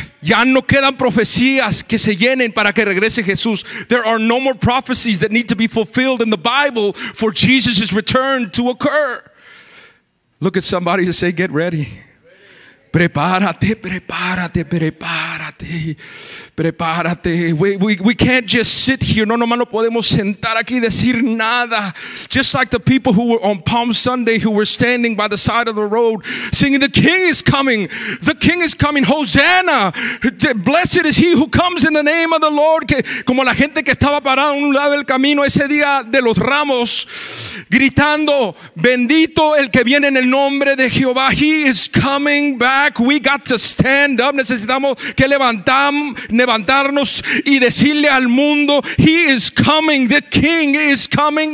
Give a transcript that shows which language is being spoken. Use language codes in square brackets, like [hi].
[es] Ya no quedan profecías que se llenen para que regrese Jesús. [en] There are no more prophecies that need to be fulfilled in the Bible for Jesus' return to occur. Look at somebody and say, get ready. [es] Prepárate, prepárate, prepárate, prepárate. [en] We can't just sit here. [es] No, nomás no podemos sentar aquí y decir nada. [en] Just like the people who were on Palm Sunday, who were standing by the side of the road, singing, the King is coming, the King is coming, Hosanna, blessed is he who comes in the name of the Lord. [es] Como la gente que estaba parada a un lado del camino ese día de los ramos, gritando, bendito el que viene en el nombre de Jehová. [en] He is coming back. back, we got to stand up. [es] Necesitamos que levantarnos y decirle al mundo, [en] He is coming, the King is coming.